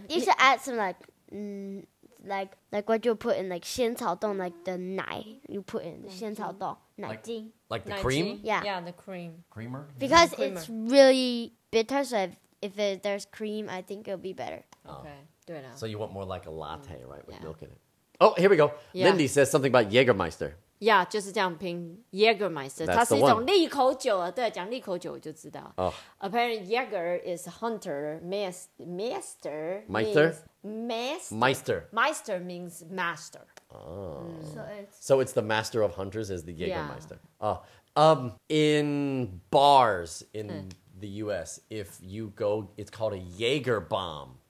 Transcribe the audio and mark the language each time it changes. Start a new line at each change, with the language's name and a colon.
English: You should add some like... like what you put in, like 仙草冻, like the 奶 you put in, 仙草冻, 奶精, like the cream? Yeah. Yeah, the cream. Creamer? Because it's really bitter, so if there's cream, I think it'll be better. Okay, do it now. So you want more like a latte, right, with milk in it. Oh, here we go. Yeah. Lindy says something about Jägermeister.
Chinese: Yeah, 就是这样拼 Jägermeister. 它是一种利口酒啊，对，讲利口酒我就知道。
English: Apparently, Jäger is hunter, master. Meister? Meister. Meister means master. Oh. So it's the master of hunters is the Jägermeister. Yeah. In bars in the U.S., if you go, it's called a Jäger bomb.